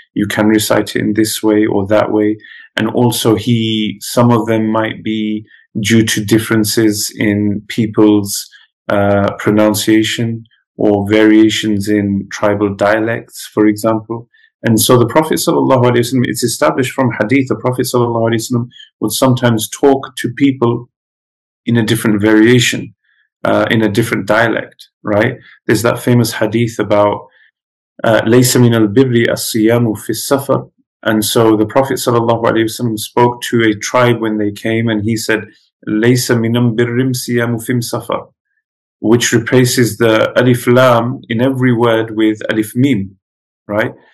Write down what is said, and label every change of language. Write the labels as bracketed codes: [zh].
[en] You can recite it in this way or that way. And also some of them might be due to differences in people's pronunciation or variations in tribal dialects, for example. And so the Prophet sallallahu alaihi wasallam, it's established from hadith, the Prophet sallallahu alaihi wasallam would sometimes talk to people in a different variation, in a different dialect, right? There's that famous hadith about [ar] لَيْسَ مِنَ الْبِرِّ أَصِّيَامُ فِي السَّفَرِ. [en] And so the Prophet sallallahu alaihi wasallam spoke to a tribe when they came, and he said, [ar] لَيْسَ مِنَ الْبِرِّمْ سِيَامُ فِي السَّفَرِ, [en] which replaces the alif lam in every word with alif mim, right?